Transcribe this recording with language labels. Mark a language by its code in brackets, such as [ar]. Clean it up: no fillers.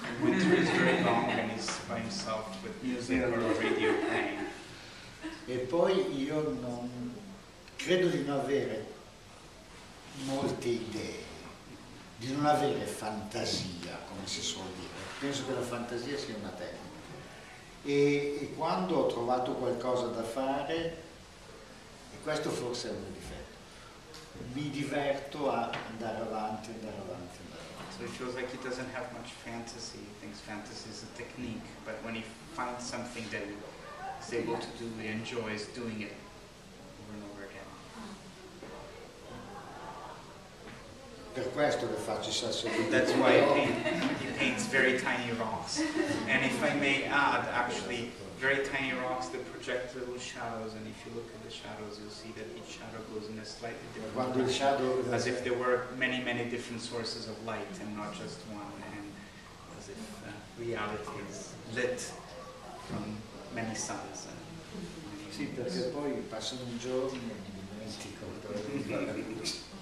[en] Winter is very long and he's by himself with music or radio playing. [it] E poi io non credo di non avere molte idee, di non avere fantasia, come si suol dire. Penso che la fantasia sia una tecnica. E quando ho trovato qualcosa da fare, e questo forse è un difetto, mi diverto a andare avanti. [en] So it feels like he doesn't have much fantasy. He thinks fantasy is a technique, but when he finds something that he's able to do, he enjoys doing it over and over again. [it] Per questo che faccio sasso di [en] pittura. That's why he paints very tiny rocks. And if I may add, actually, very tiny rocks that project little shadows, and if you look at the shadows, you'll see that each shadow goes in a slightly different direction, as if there were many, many different sources of light and not just one, and as if reality is lit from many suns. [it] Sì, perché poi passano un giorno e mi dimentico.